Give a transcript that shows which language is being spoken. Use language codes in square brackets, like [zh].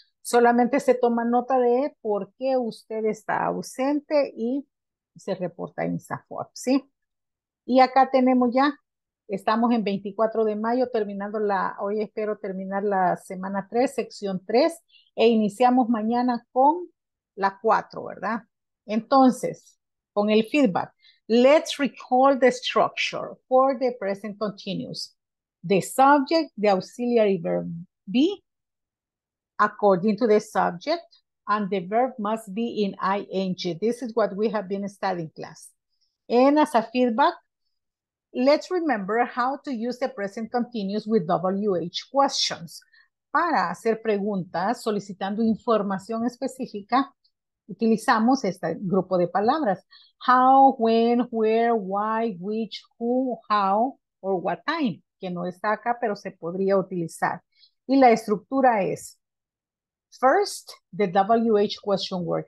[es] Solamente se toma nota de por qué usted está ausente y se reporta en SAFOAP, ¿sí? Y acá tenemos ya, estamos en 24 de mayo terminando la, hoy espero terminar la semana 3, sección 3, e iniciamos mañana con la 4, ¿verdad? Entonces, con el feedback, [en] let's recall the structure for the present continuous. The subject, the auxiliary verb be, according to the subject, and the verb must be in ing. This is what we have been studying class. And as a feedback, let's remember how to use the present continuous with WH questions. [es] Para hacer preguntas solicitando información específica, utilizamos este grupo de palabras. [en] How, when, where, why, which, who, how, or what time, [es] que no está acá, pero se podría utilizar. Y la estructura es, [en] first, the WH question word.